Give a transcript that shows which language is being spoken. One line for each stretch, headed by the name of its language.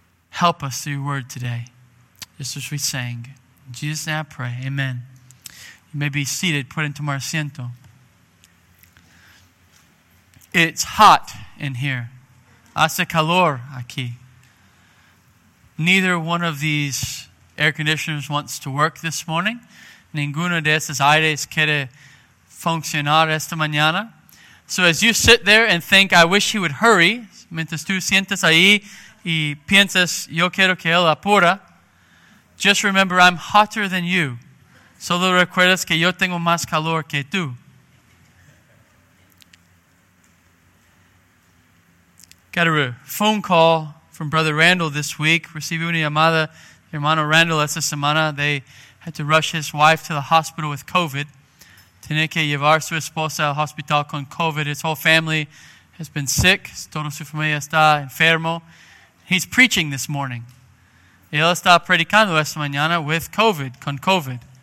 English: Help us through Your word today. Just as we sang. In Jesus' name I pray. Amen. You may be seated. Put into my asiento. It's hot in here.
Spanish: Hace calor aquí.
English: Neither one of these air conditioners wants to work this morning.
Spanish: Ninguno de esos aires quiere funcionar esta mañana.
English: So as you sit there and think, I wish he would hurry,
Spanish: mientras tú sientes ahí y piensas, yo quiero que él apura,
English: just remember, I'm hotter than you.
Spanish: Solo recuerdas que yo tengo más calor que tú.
English: Got a phone call from Brother Randall this week.
Spanish: Recibí una llamada de hermano Randall esta semana.
English: They had to rush his wife to the hospital with COVID.
Spanish: Tiene que llevar su esposa al hospital con COVID.
English: His whole family has been sick.
Spanish: Toda su familia está enfermo.
English: He's preaching this morning.
Spanish: Él está predicando esta mañana
English: with COVID,
Spanish: con COVID.